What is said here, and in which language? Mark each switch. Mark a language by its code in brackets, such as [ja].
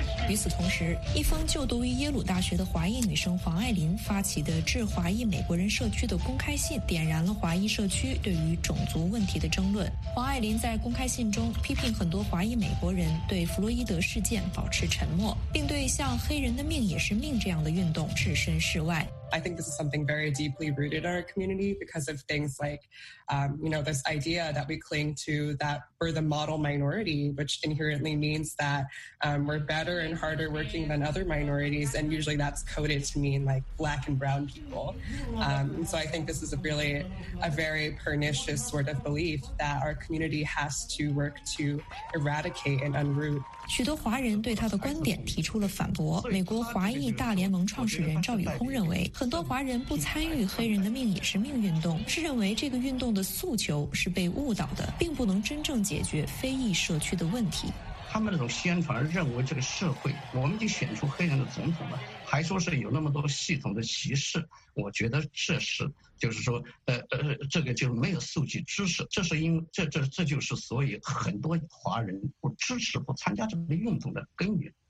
[zh] 与此同时，一方就读于耶鲁大学的华裔女生黄爱琳发起的致华裔美国人社区的公开信，点燃了华裔社区对于种族问题的争论。黄爱琳在公开信中批评很多华裔美国人对弗洛伊德事件保持沉默，并对像黑人的命也是命这样的运动置身事外。 [en] I think this is something very deeply rooted in our community because of things like, you know, this idea that we cling to that we're the model minority, which inherently means that we're better and harder working than other minorities. And usually that's coded to mean like black and brown people. So I think this is a very pernicious sort of belief that our community has to work to eradicate and unroot. [zh] 许多华人对他的观点提出了反驳。美国华裔大联盟创始人赵宇空认为，很多华人不参与黑人的命也是命运动，是认为这个运动的诉求是被误导的，并不能真正解决非裔社区的问题。他们那种宣传认为这个社会我们就选出黑人的总统了，还说是有那么多系统的歧视，我觉得这是就是说这个就没有数据支持，这是因为这就是所以很多华人不支持不参加这个运动的根源。